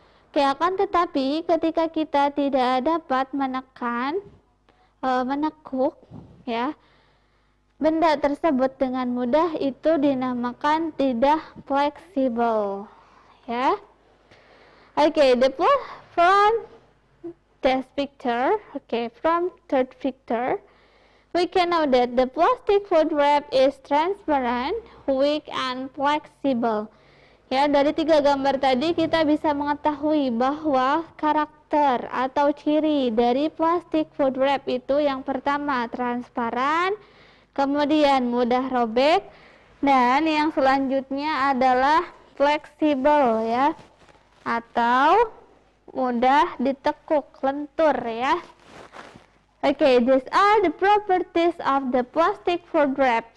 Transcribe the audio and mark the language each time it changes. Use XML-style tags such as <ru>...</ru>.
<id>Oke, akan tetapi ketika kita tidak dapat menekan, menekuk, ya, benda tersebut dengan mudah, itu dinamakan tidak fleksibel, ya.</id> <en>Oke, the front this picture, okay, from third picture, we can know that the plastic food wrap is transparent, weak, and flexible.</en> <id>Ya, dari tiga gambar tadi kita bisa mengetahui bahwa karakter atau ciri dari plastic food wrap itu yang pertama transparan, kemudian mudah robek, dan yang selanjutnya adalah fleksibel, ya, atau mudah ditekuk, lentur, ya.</id> <en>Okay, these are the properties of the plastic food wrap.</en>